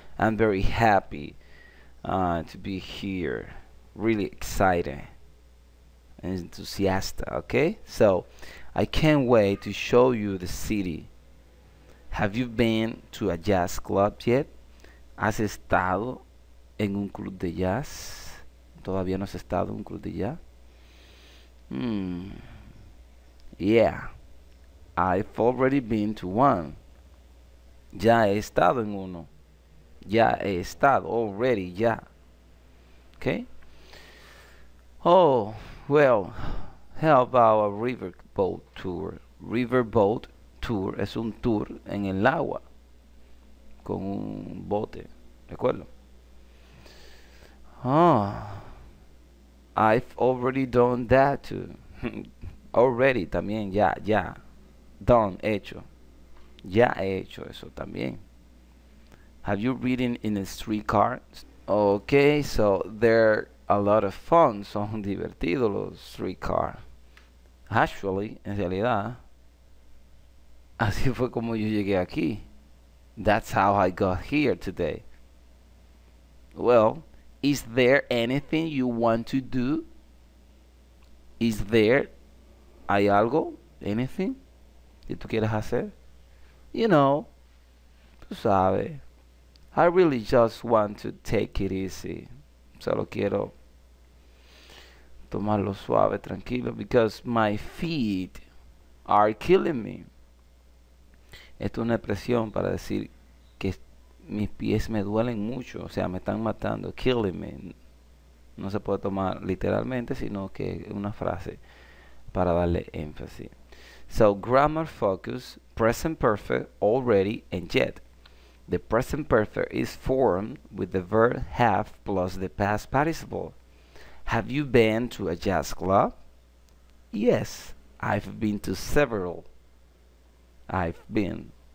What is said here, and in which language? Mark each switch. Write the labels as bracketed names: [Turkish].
[English] I'm very happy to be here. Really excited. Enthusiastic, okay? So, I can't wait to show you the city. Have you been to a jazz club yet? [Spanish] ¿Has estado en un club de jazz? ¿Todavía no has estado en un club de jazz? [English] Yeah. I've already been to one. [Spanish] Ya he estado en uno. Ya he estado already, ya. Okay? [English] Oh, well, how about a riverboat tour? [Spanish] Riverboat tour es un tour en el agua. Con un bote, ¿de acuerdo? [English] Oh, I've already done that too. [Spanish] Already, también, ya, ya. Done, hecho. Ya he hecho eso también. [English] Have you ridden in a streetcar? Okay, so they're a lot of fun. [Spanish] Son divertidos los streetcar. Actually, en realidad, así fue como yo llegué aquí. [English] That's how I got here today. Well, is there anything you want to do? Is there [Spanish] hay algo? [English] Anything that [Spanish] tú quieres hacer? [English] You know, [Spanish] tú sabes. [English] I really just want to take it easy. [Spanish] Solo quiero tomarlo suave, tranquilo, [English] because my feet are killing me. [Spanish] Esto es una expresión para decir que mis pies me duelen mucho, o sea, me están matando, [English] killing me. [Spanish] No se puede tomar literalmente, sino que es una frase para darle énfasis. [English] So, grammar focus, present perfect, already, and yet. The present perfect is formed with the verb have plus the past participle. Have you been to a jazz club? Yes, I've been to several. I've been.